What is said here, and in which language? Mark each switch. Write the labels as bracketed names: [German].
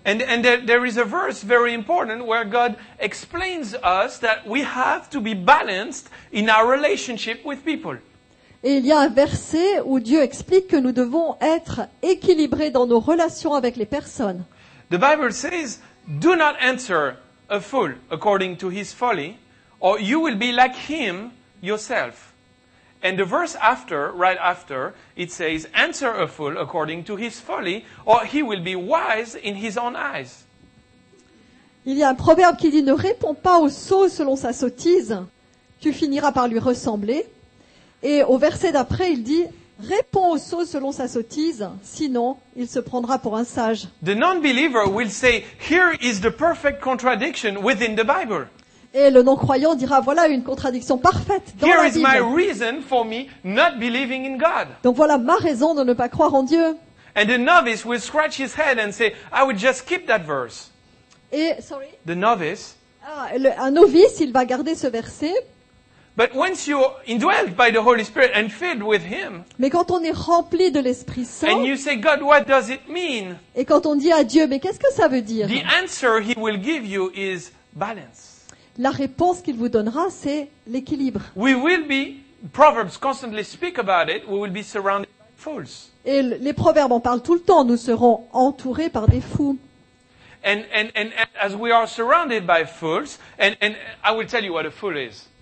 [English] And there is a verse very important where God explains us that we have to be balanced in our relationship with people. [French] Et il y a un verset où Dieu explique que nous devons être équilibrés dans nos relations avec les personnes. [English] The Bible says, do not answer a fool according to his folly, or you will be like him yourself. And the verse after, right after, it says, answer a fool according to his folly, or he will be wise in his own eyes. [French] Il y a un proverbe qui dit, ne réponds pas au sot selon sa sottise, tu finiras par lui ressembler. Et au verset d'après, il dit, réponds au sot selon sa sottise, sinon il se prendra pour un sage. [English] The non-believer will say, here is the perfect contradiction within the Bible. [French] Et le non-croyant dira, voilà une contradiction parfaite dans [English] here [French] la Bible. [English] Is my reason for me not believing in God. [French] Donc voilà ma raison de ne pas croire en Dieu. [English] And the novice will scratch his head and say, I would just keep that verse. [French] Et, sorry. [English] The novice. [French] Ah, un novice, il va garder ce verset. [English] But once you're indwelled by the Holy Spirit and filled with Him, [French] mais quand on est rempli de l'Esprit Saint, [English] and you say, God, what does it mean? [French] Et quand on dit à Dieu, mais qu'est-ce que ça veut dire? [English] The answer He will give you is balance. [French] La réponse qu'il vous donnera, c'est l'équilibre. [English] We will be, Proverbs constantly speak about it, we will be surrounded by fools. [French] Et les proverbes en parlent tout le temps, nous serons entourés par des fous. [English] And as we are surrounded by fools, and I will tell you what a fool is.